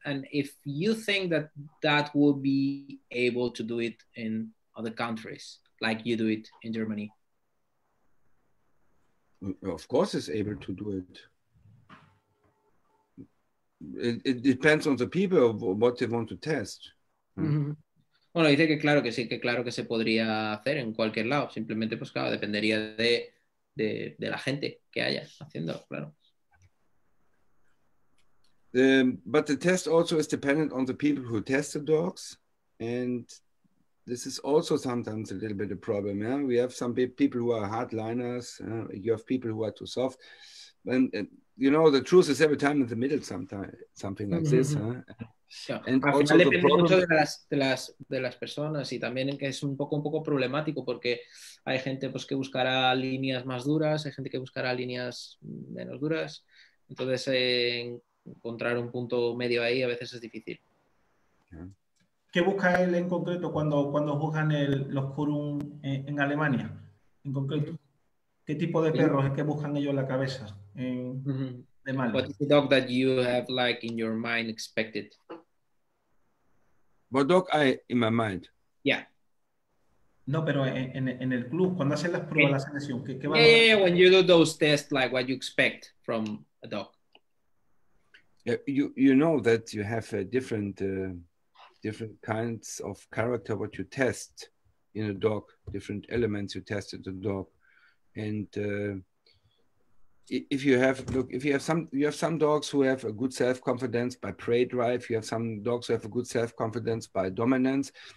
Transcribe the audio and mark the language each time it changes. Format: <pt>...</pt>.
<en>And if you think that will be able to do it in other countries, like you do it in Germany. Of course it's able to do it. It depends on the people of what they want to test. Mm-hmm.</en> <es>Bueno, dice que claro que sí, que claro que se podría hacer en cualquier lado. Simplemente, pues claro, dependería de la gente que haya haciéndolo, claro.</es> <en>But the test also is dependent on the people who test the dogs. And this is also sometimes a little bit a problem. Yeah? We have some people who are hardliners. You have people who are too soft. And you know, the truth is every time in the middle, sometimes something like this. Mm-hmm.</en> <es>Huh?</es> <en>And</en> <es>al final depende mucho de las personas y también que es un poco problemático porque hay gente pues que buscará líneas más duras, hay gente que buscará líneas menos duras. Entonces encontrar un punto medio ahí a veces es difícil. ¿Qué busca él en concreto cuando juzgan los quórum en Alemania? En concreto, ¿qué tipo de perros es que buscan ellos en la cabeza? Mm-hmm.</es> <en>What is the dog that you have like in your mind expected? What dog I in my mind? Yeah.</en> <es>No, pero en el club, cuando hacen las pruebas, okay, la selección, ¿qué va a...</es> <en>Yeah, when you do those tests, like what you expect from a dog. Yeah, you know that you have a different different kinds of character, what you test in a dog, different elements you test in the dog. And if you have some dogs who have a good self-confidence by prey drive, you have some dogs who have a good self-confidence by dominance.</en>